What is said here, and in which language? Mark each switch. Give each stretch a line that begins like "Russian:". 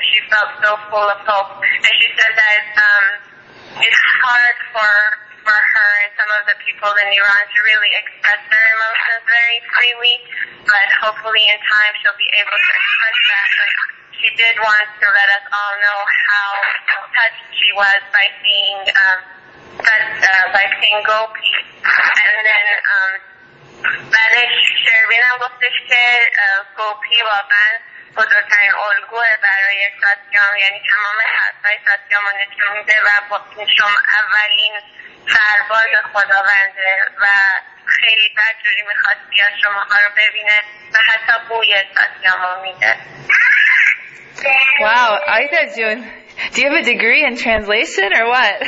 English: She felt so full of hope, and she said that it's hard for her and some of the people in Iran to really express their emotions very freely, but hopefully in time she'll be able to express that. Like, she did want to let us all know how touched she was by seeing by seeing Gopi. And then
Persian: بعدش شروینم گفتش که گوپی واقعا بزرگترین الگوه برای ساتیام یعنی تمام حرفای ساتیام رو نشون میده و شما اولین سرباز خداونده و خیلی بدجوری میخواست بیاد شما رو ببینه و حتی بوی ساتیام رو میده
English: Wow, Aida Jun, do you have a degree in translation or what?